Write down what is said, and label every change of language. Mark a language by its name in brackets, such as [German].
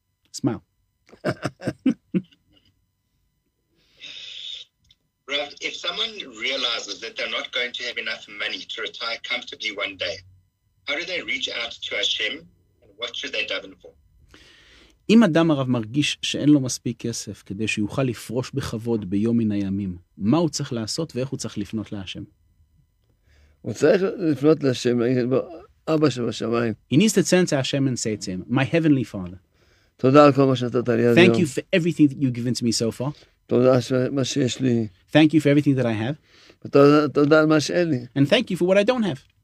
[English] Smile. Rabbi, Rav, if someone realizes that they're not going to have enough money to retire comfortably one day, how do they reach out to Hashem and what should they daven for? [Hebrew] אם אדם הרב מרגיש שאין לו מספיק כסף כדי שיוכל לפרוש בכבוד ביום מן הימים, מה הוא צריך לעשות ואיך הוא צריך לפנות להשם? הוא צריך לפנות להשם, להגיד בו, אבא שבשמיים. [English] He needs to turn to Hashem and say to him, my heavenly father. [Hebrew] תודה על כל מה שנתת לי היום. [English] Thank you for everything that you've given to me so far. [Hebrew] תודה על מה שיש לי. [English] Thank you for everything that I have. [Hebrew] תודה על מה שאין לי. [English] And thank you for what I don't have.